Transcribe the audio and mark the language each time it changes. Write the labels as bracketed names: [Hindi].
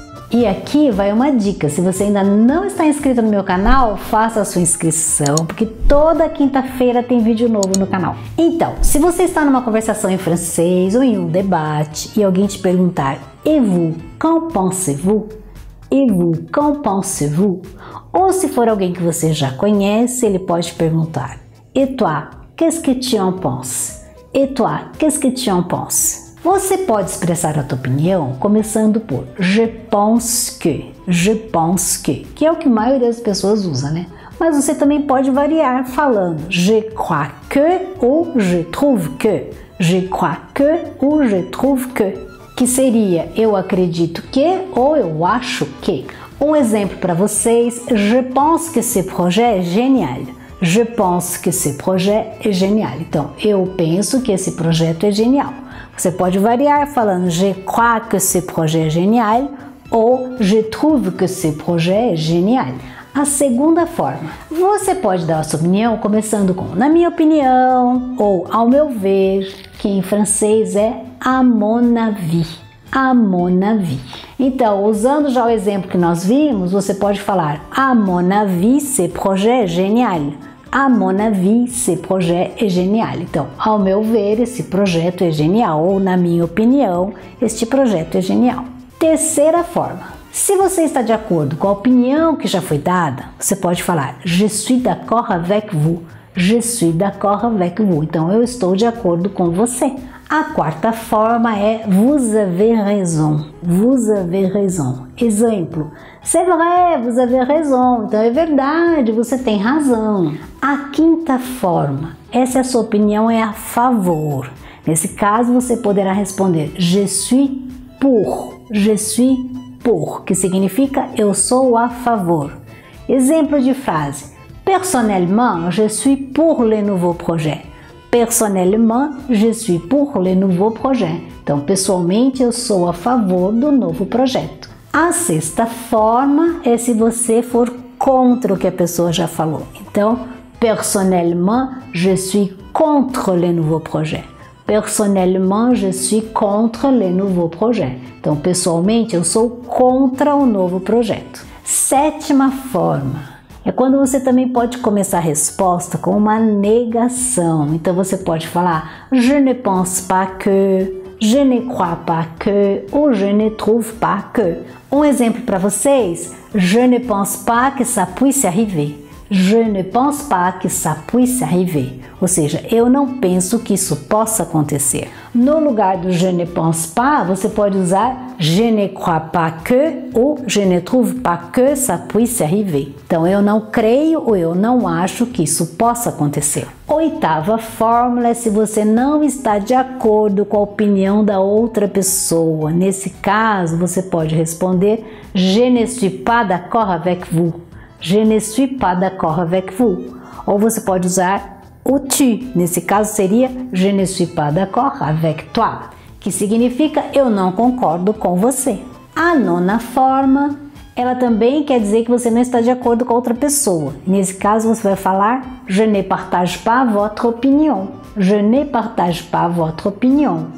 [Portuguese] E aqui vai uma dica, se você ainda não está inscrito no meu canal, faça a sua inscrição, porque toda quinta-feira tem vídeo novo no canal. Então, se você está numa conversação em francês ou em um debate e alguém te perguntar [French] "Et vous, qu'en pensez-vous?" "Et vous, qu'en pensez-vous?" [Portuguese] Ou se for alguém que você já conhece, ele pode perguntar [French] "Et toi, qu'est-ce que tu en penses?" "Et toi, qu'est-ce que tu en penses?" [Portuguese] Você pode expressar a tua opinião começando por [French] je pense que [Portuguese] é o que a maioria das pessoas usa, né? Mas você também pode variar falando [French] je crois que ou je trouve que, je crois que ou je trouve que [Portuguese] seria eu acredito que ou eu acho que. Um exemplo para vocês, [French] je pense que ce projet est génial. Je pense que ce projet est génial. [Portuguese] Então, eu penso que esse projeto é genial. Você pode variar falando [French] je crois que ce projet est génial ou je trouve que ce projet est génial. [Portuguese] A segunda forma, você pode dar a sua opinião começando com na minha opinião ou ao meu ver, que em francês é à mon avis. À mon avis. Então, usando já o exemplo que nós vimos, você pode falar à mon avis, ce projet est génial. [French] À mon avis, ce projet est génial. [Portuguese] Então, ao meu ver, esse projeto é genial. Ou, na minha opinião, este projeto é genial. Terceira forma. Se você está de acordo com a opinião que já foi dada, você pode falar [French] je suis d'accord avec vous. Je suis d'accord avec vous. [Portuguese] Então, eu estou de acordo com você. A quarta forma é [French] vous avez raison. Vous avez raison. [Portuguese] Exemplo, [French] c'est vrai, vous avez raison. [Portuguese] Então é verdade, você tem razão. A quinta forma, essa é a sua opinião, é a favor. Nesse caso, você poderá responder [French] je suis pour. Je suis pour, [Portuguese] que significa eu sou a favor. Exemplo de frase, [French] personnellement, je suis pour le nouveau projet. Personnellement, je suis pour le nouveau projet. [Portuguese] Então, pessoalmente, eu sou a favor do novo projeto. A sexta forma é se você for contra o que a pessoa já falou. Então, [French] personnellement, je suis contre le nouveau projet. Personnellement, je suis contre le nouveau projet. [Portuguese] Então, pessoalmente, eu sou contra o novo projeto. Sétima forma. É quando você também pode começar a resposta com uma negação. Então você pode falar [French] je ne pense pas que, je ne crois pas que ou je ne trouve pas que. [Portuguese] Um exemplo para vocês, [French] je ne pense pas que ça puisse arriver. Je ne pense pas que ça puisse arriver. [Portuguese] Ou seja, eu não penso que isso possa acontecer. No lugar do [French] je ne pense pas, [Portuguese] você pode usar [French] je ne crois pas que ou je ne trouve pas que ça puisse arriver. [Portuguese] Então, eu não creio ou eu não acho que isso possa acontecer. Oitava fórmula é se você não está de acordo com a opinião da outra pessoa. Nesse caso, você pode responder [French] je ne suis pas d'accord avec vous. Je ne suis pas d'accord avec vous. [Portuguese] Ou você pode usar o tu. Nesse caso seria [French] je ne suis pas d'accord avec toi, [Portuguese] que significa eu não concordo com você. A nona forma, ela também quer dizer que você não está de acordo com a outra pessoa. Nesse caso você vai falar [French] je ne partage pas votre opinion. Je ne partage pas votre opinion.